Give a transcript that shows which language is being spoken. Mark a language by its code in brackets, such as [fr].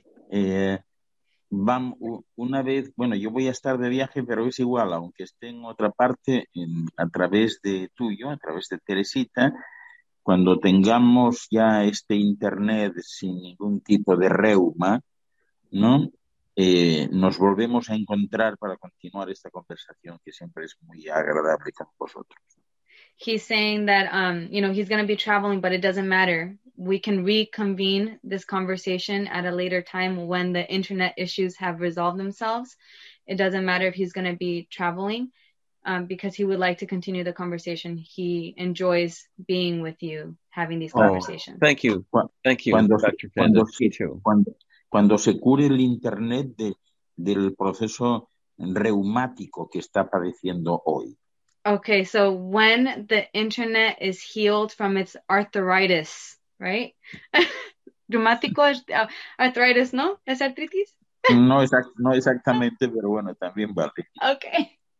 [es] Una vez, bueno, yo voy a estar de viaje, pero es igual, aunque esté en otra parte, a través de Teresita, cuando tengamos ya este internet sin ningún tipo de reuma, ¿no? Nos volvemos a encontrar para continuar esta conversación que siempre es muy agradable con vosotros. [en] He's saying that, you know, he's going to be traveling, but it doesn't matter. We can reconvene this conversation at a later time when the internet issues have resolved themselves. It doesn't matter if he's going to be traveling, because he would like to continue the conversation. He enjoys being with you, having these conversations. Thank you. Thank you, Dr. Kendall. Me too. [es] Cuando se cure el internet del proceso reumático que está padeciendo hoy. [en] Okay, so when the internet is healed from its arthritis, right? [es] Reumático es arthritis, ¿no? ¿Es artritis? No exactamente, pero bueno, también vale. [en] Okay.